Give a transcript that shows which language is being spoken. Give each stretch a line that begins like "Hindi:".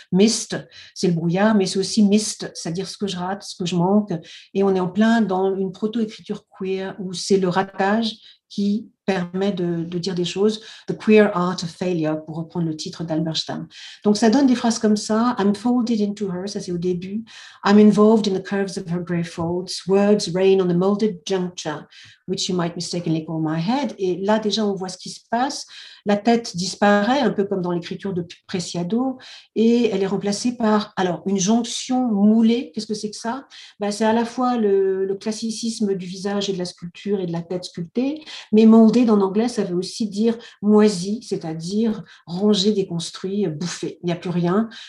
French: Mist, c'est le brouillard, mais c'est aussi mist, c'est-à-dire ce que je rate, ce que je manque. Et on est en plein dans une proto-écriture queer où c'est le ratage qui permet de dire des choses. The queer art of failure, pour reprendre le titre d'Albert Stamm. Donc ça donne des phrases comme ça.
English: I'm folded into her,
French: ça c'est au début.
English: I'm involved in the curves of her gray folds. Words rain on the molded juncture, which you might mistakenly call my head.
French: Et là déjà on voit ce qui se passe. La tête disparaît, un peu comme dans l'écriture de Preciado, et elle est remplacée par alors une jonction moulée. Qu'est-ce que c'est que ça? Ben, c'est à la fois le classicisme du visage et de la sculpture et de la tête sculptée, mais moldé en anglais, ça veut aussi dire moisi, c'est-à-dire rangé, déconstruit, bouffé. Il n'y a plus rien.